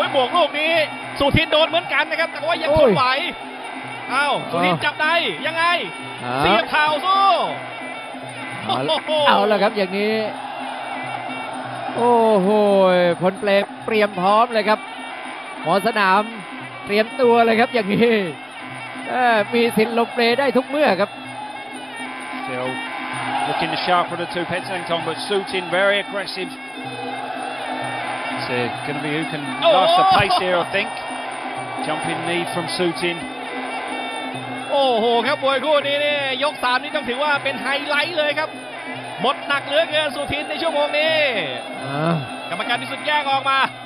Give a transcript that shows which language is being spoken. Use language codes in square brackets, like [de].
[th] บวกลูกนี้สุทินโดนเหมือนกันนะครับแต่ว่ายังทนไหวอ้าวสุทินจับได้ยังไงเสียบเข่าสู้เอาละครับอย่างนี้โอ้โหผลเปลเตรียมพร้อมเลยครับหมอสนามเตรียมตัวเลยครับอย่างนี้มีสินลบเลยได้ทุกเมื่อครับ [en] Still looking the sharper of the two Pet Sang Tong but Suiting very aggressive So gonna be who can last the pace here I think Jumping knee from Suiting [th] โอ้โหครับมวยคู่นี้เนี่ยยก3นี่ต้องถือว่าเป็นไฮไลท์เลยครับหมดหนักเหลือเกินสุทินในชั่วโมงนี้กรรมการที่สุดแยกออกมา